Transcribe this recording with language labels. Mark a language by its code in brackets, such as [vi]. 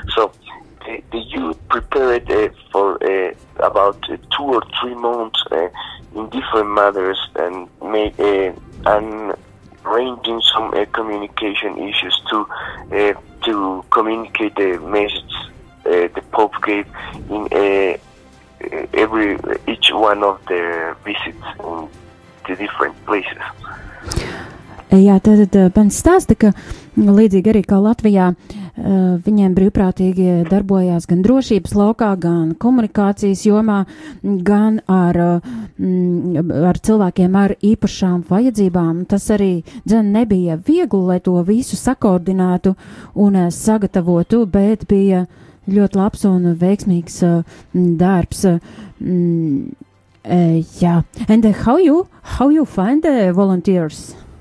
[en] So the youth prepared for about 2 or 3 months in different matters, and made an arranging some communication issues to communicate the message the Pope gave in each one of the visits in the different places. [lv] Jā, tad Ben stāsta, ka līdzīgi arī kā Latvijā viņiem brīvprātīgi darbojās gan drošības laukā, gan komunikācijas jomā, gan ar cilvēkiem ar īpašām vajadzībām. Tas arī dzen nebija viegli, lai to visu sakoordinātu un sagatavotu, bet bija ļoti labs un veiksmīgs darbs. [en] Jā, and how you find the volunteers?